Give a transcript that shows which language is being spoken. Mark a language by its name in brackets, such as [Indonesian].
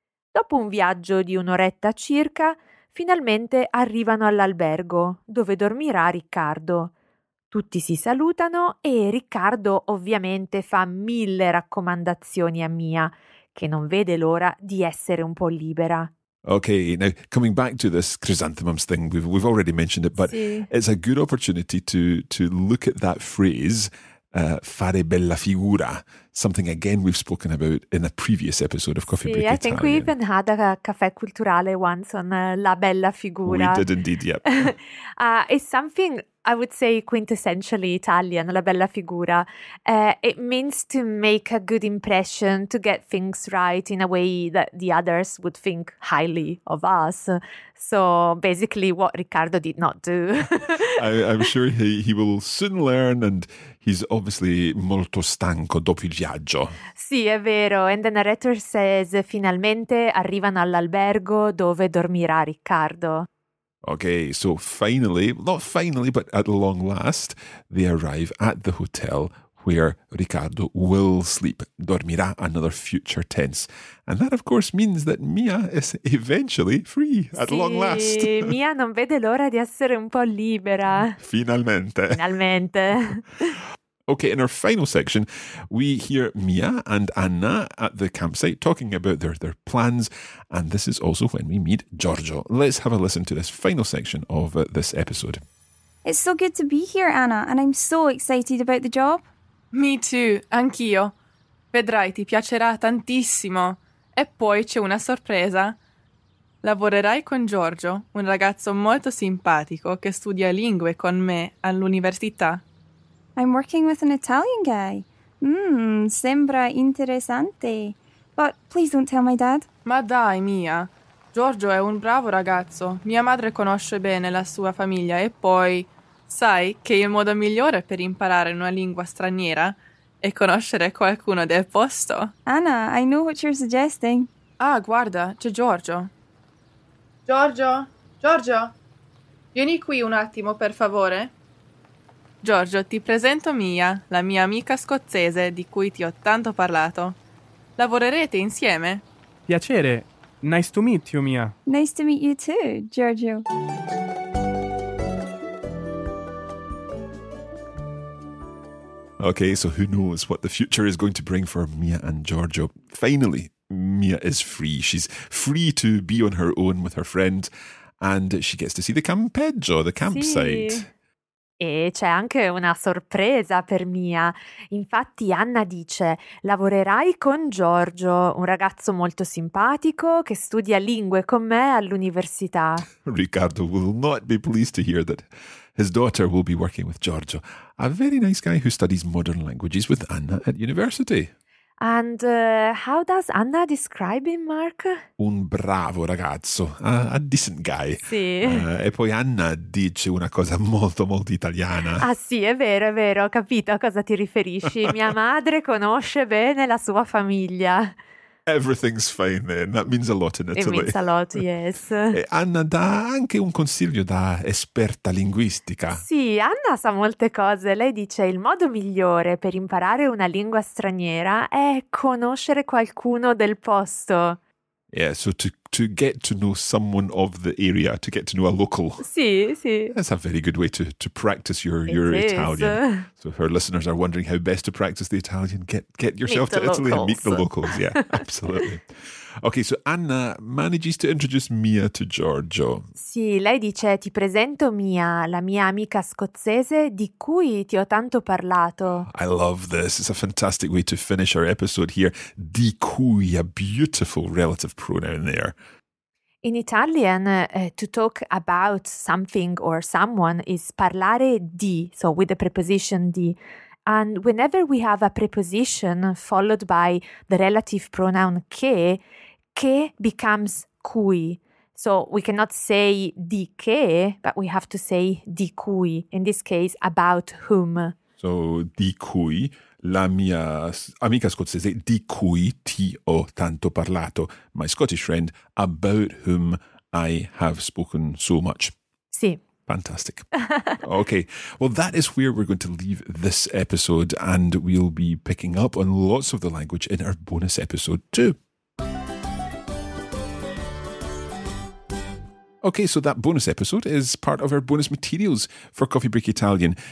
[Italian] Dopo un viaggio di un'oretta circa, finalmente arrivano all'albergo, dove dormirà Riccardo. Tutti si salutano e Riccardo ovviamente fa mille raccomandazioni a Mia, che non vede l'ora di essere un po' libera. [English] Okay, now coming back to this chrysanthemums thing, we've already mentioned it, but [Italian] sì, [English] it's a good opportunity to look at that phrase, [Italian] fare bella figura, [English] something again we've spoken about in a previous episode of Coffee Break Italian. I think we even had a [Italian] caffè culturale [English] once on [Italian] la bella figura. [English] We did indeed, yep. It's something I would say quintessentially Italian, [Italian] la bella figura. [English] It means to make a good impression, to get things right in a way that the others would think highly of us. So basically what Riccardo did not do. I'm sure he will soon learn, and he's obviously [Italian] molto stanco dopo il viaggio. Sì, è vero. [English] And the narrator says, [Italian] finalmente arrivano all'albergo dove dormirà Riccardo. [English] Okay, so finally, not finally, but at long last, they arrive at the hotel where Ricardo will sleep. Dormirà, another future tense. And that, of course, means that Mia is eventually free at long last. [Italian] Sì, Mia non vede l'ora di essere un po' libera. Finalmente. Finalmente. [English] Okay, in our final section, we hear Mia and Anna at the campsite talking about their plans. And this is also when we meet Giorgio. Let's have a listen to this final section of this episode. It's so good to be here, Anna, and I'm so excited about the job. Me too, [Italian] anch'io. Vedrai, ti piacerà tantissimo. E poi c'è una sorpresa. Lavorerai con Giorgio, un ragazzo molto simpatico che studia lingue con me all'università. [English] I'm working with an Italian guy. [Italian] Sembra interessante. [English] But please don't tell my dad. [Italian] Ma dai, Mia. Giorgio è un bravo ragazzo. Mia madre conosce bene la sua famiglia e poi... Sai che il modo migliore per imparare una lingua straniera è conoscere qualcuno del posto. [English] Anna, I know what you're suggesting. [Italian] Ah, guarda, c'è Giorgio. Giorgio? Giorgio? Vieni qui un attimo, per favore. Giorgio, ti presento Mia, la mia amica scozzese di cui ti ho tanto parlato. Lavorerete insieme? Piacere. [English] Nice to meet you, Mia. Nice to meet you too, Giorgio. Okay, so who knows what the future is going to bring for Mia and Giorgio. Finally, Mia is free. She's free to be on her own with her friend and she gets to see the campeggio, the campsite. [Italian] Sì. E c'è anche una sorpresa per Mia. Infatti Anna dice, lavorerai con Giorgio, un ragazzo molto simpatico che studia lingue con me all'università. [English] Ricardo will not be pleased to hear that his daughter will be working with Giorgio, a very nice guy who studies modern languages with Anna at university. And how does Anna describe him, Mark? [Italian] Un bravo ragazzo, [English] a decent guy. [Italian] Sì. E poi Anna dice una cosa molto, molto italiana. Ah sì, è vero, ho capito a cosa ti riferisci. Mia madre conosce bene la sua famiglia. [English] Everything's fine then, that means a lot in Italy. It means a lot, yes. [Italian] E Anna dà anche un consiglio da esperta linguistica. Sì, Anna sa molte cose. Lei dice il modo migliore per imparare una lingua straniera è conoscere qualcuno del posto. [English] Yeah, so to get to know someone of the area, to get to know a local. [Italian] Sì, sì. [English] That's a very good way to practice your Italian. So if our listeners are wondering how best to practice the Italian, get yourself meet to Italy locals. And meet the locals. Yeah, absolutely. Okay, so Anna manages to introduce Mia to Giorgio. [Italian] Sì, lei dice, ti presento Mia, la mia amica scozzese di cui ti ho tanto parlato. [English] I love this. It's a fantastic way to finish our episode here. Di cui, a beautiful relative pronoun there. In Italian, to talk about something or someone is [Italian] parlare di, [English] so with the preposition di. And whenever we have a preposition followed by the relative pronoun che becomes cui. So we cannot say [Italian] di che, [English] but we have to say [Italian] di cui. [English] In this case, about whom. So [Italian] di cui, la mia amica scozzese, di cui ti ho tanto parlato, [English] my Scottish friend, about whom I have spoken so much. [Italian] Sì. [English] Fantastic. Okay, well, that is where we're going to leave this episode, and we'll be picking up on lots of the language in our bonus episode too. Okay, so that bonus episode is part of our bonus materials for Coffee Break Italian.